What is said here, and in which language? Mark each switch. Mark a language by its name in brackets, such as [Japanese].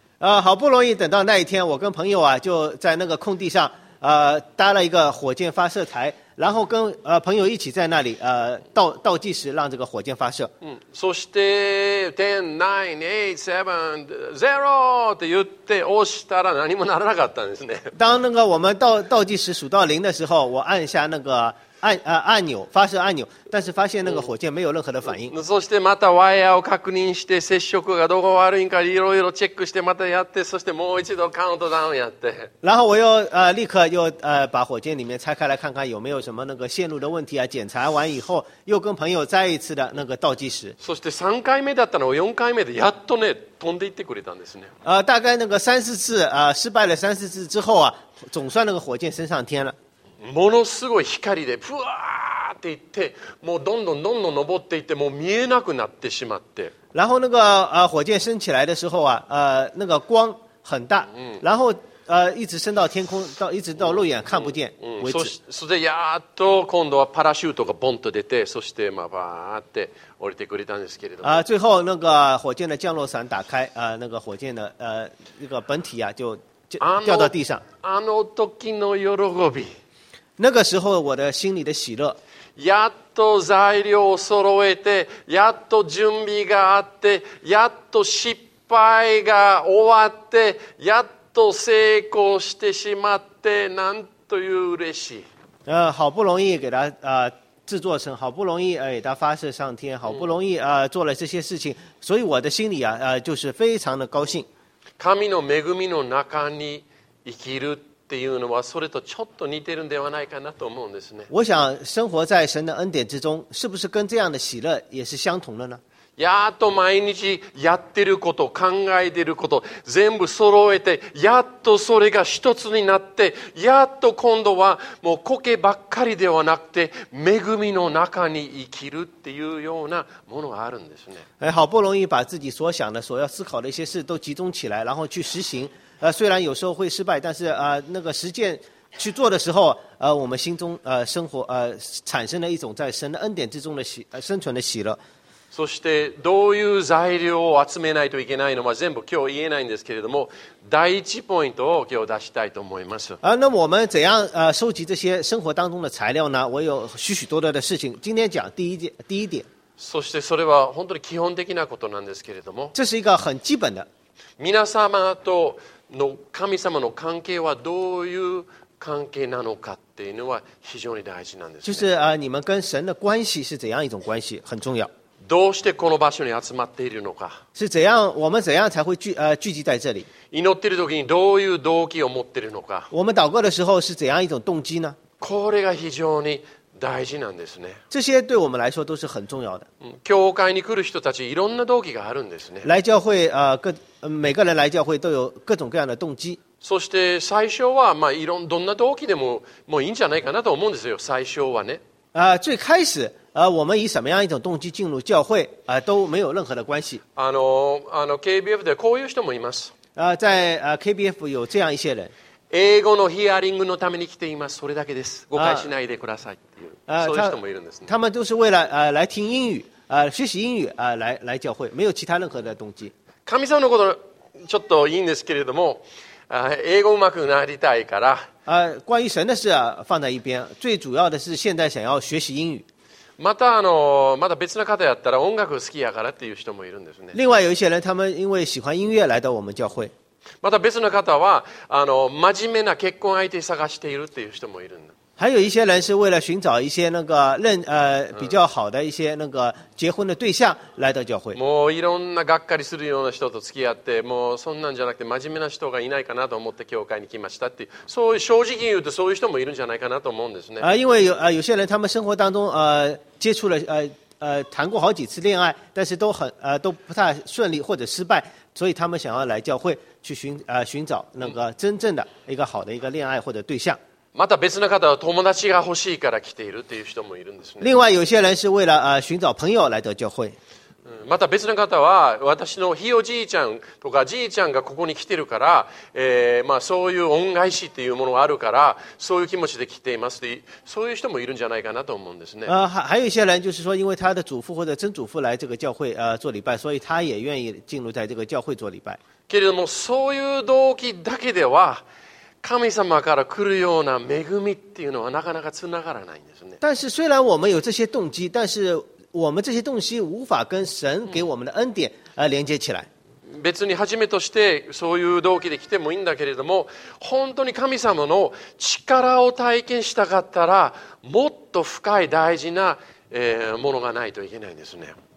[Chinese] 好不容易等到那一天，我跟朋友啊就在那个空地上。搭了一个火箭发射台，然后跟朋友一起在那里倒计时，让这个火箭发射。嗯， [Japanese] そして10、9、8、7、0って言って押したら何もならなかったんですね。 [Chinese] 当那个我们倒计时数到零的时候，我按下那个按钮发射按钮，但是发现那个火箭没有任何的反应。 [Japanese] そしてまたワイヤーを確認して接触がどこ悪いかいろいろチェックしてまたやって、そしてもう一度カウントダウンやって。 [Chinese] 然后我又立刻又把火箭里面拆开来看看有没有什么那个线路的问题啊。检查完以后，又跟朋友再一次的那个倒计时。 [Japanese] そして三回目だったのを四回目でやっとね飛んでいってくれたんですね。 [Chinese] 大概那个三四次失败了三四次之后啊，总算那个火箭升上天了。 [Japanese] ものすごい光でふわーっていって、もうどんどんどんどん登っていって、もう見えなくなってしまって。 [Chinese] 然后那个火箭升起来的时候啊，那个光很大，然后一直升到天空，到一直到肉眼看不见为止。 [Japanese] そしてやっと今度はパラシュートがボンと出て、そしてまあバーって降りてくれたんですけれども。 [Chinese] 最后那个火箭的降落伞打开，那个火箭的那个本体啊就掉到地上。 [Japanese] あの時の喜び。 [Chinese] 那个时候我的心里的喜乐， [Japanese] やっと材料を揃えて、やっと準備があって、やっと失敗が終わって、やっと成功してしまって、なんという嬉しい。 [Chinese] 好不容易给他制作成，好不容易给他发射上天，好不容易做了这些事情，所以我的心里就是非常的高兴。 [Japanese] 神の恵みの中に生きる。っていうのはそれとちょっと似てるんではないかなと思うんですね。 [Chinese] 我想生活在神的恩典之中，是不是跟这样的喜乐也是相同的呢？ [Japanese] やっと毎日やってること、考えてること、全部揃えて、やっとそれが一つになって、やっと今度はもう苔ばっかりではなくて、恵みの中に生きるっていうようなものがあるんですね。 [Chinese] 好不容易把自己所想的、所要思考的一些事都集中起来，然后去实行。虽然有时候会失败，但是那个实践去做的时候，我们心中生活产生了一种在神的恩典之中的喜生存的喜乐。 [Japanese] そしてどういう材料を集めないといけないのは全部今日言えないんですけれども、第一ポイントを今日出したいと思います。 [Chinese] 那我们怎样收集这些生活当中的材料呢？我有许许多多的事情，今天讲第一点。 [Japanese] そしてそれは本当に基本的なことなんですけれども。 [Chinese] 这是一个很基本的。 [Japanese] 皆様との神様の関係はどういう関係なのかっていうのは非常に大事なんですね。 [Chinese] 就是你们跟神的关系是怎样一种关系，很重要。 [Japanese] どうしてこの場所に集まっているのか。 [Chinese] 是怎样，我们怎样才会聚集在这里。 [Japanese] 祈っている時にどういう動機を持っているのか。 [Chinese] 我们祷告的时候是怎样一种动机呢？ [Japanese] これが非常に大事なんですね。 [Chinese] 这些对我们来说都是很重要的。 [Japanese] 教会に来る人たちいろんな動機があるんですね。 [Chinese] 来教会每个人来教会都有各种各样的动机。 [Japanese] そして最初はまあいろんどんな動機でももういいんじゃないかなと思うんですよ。最初はね。 [Chinese] 最开始我们以什么样一种动机进入教会都没有任何的关系。 [Japanese] KBF でこういう人もいます。 [Chinese] 在KBF 有这样一些人。 [Japanese] 英語のヒアリングのために来ています。それだけです。誤解しないでくださいっていう。そういう人もいるんですね。 [Chinese] 他们都是为了来听英语学习英语来教会，没有其他任何的动机。 [Japanese] 神様のことちょっといいんですけれども、英語うまくなりたいから。 [Chinese] 关于神的事放在一边，最主要的是现在想要学习英语。 [Japanese] またまた別の方やったら音楽好きやからっていう人もいるんですね。 [Chinese] 另外有一些人，他们因为喜欢音乐来到我们教会。 [Japanese] また別の方は真面目な結婚相手探しているっていう人もいるんだ。 [Chinese] 还有一些人是为了寻找一些那个比较好的一些那个结婚的对象来到教会。 [Japanese] もういろんながっかりするような人と付き合って、もうそんなんじゃなくて真面目な人がいないかなと思って教会に来ましたっていう、そういう正直言うとそういう人もいるんじゃないかなと思うんですね。 [Chinese] 因为有些人他们生活当中接触了谈过好几次恋爱，但是都不太顺利或者失败，所以他们想要来教会去寻找那个真正的一个好的一个恋爱或者对象。 [Japanese] また別の方は友達が欲しいから来ているという人もいるんですね。 [Chinese] 另外有些人是为了寻找朋友来到教会。 [Japanese] また別の方は私のひいおじいちゃんとかじいちゃんがここに来てるから、まあそういう恩返しっていうものがあるからそういう気持ちで来ていますそういう人もいるんじゃないかなと思うんですね。 [Chinese] 还有一些人就是说因为他的祖父或者曾祖父来这个教会做礼拜所以他也愿意进入在这个教会做礼拜。 [Japanese] けれどもそういう動機だけでは神様から来るような恵みっていうのはなかなかつながらないんですね。 [Chinese] 但是虽然我们有这些动机但是我们这些东西无法跟神给我们的恩典连接起来。 [Japanese] 別に初めとしてそういう動機で来てもいいんだけれども、本当に神様の力を体験したかったら、もっと深い大事なものがないといけないんですね。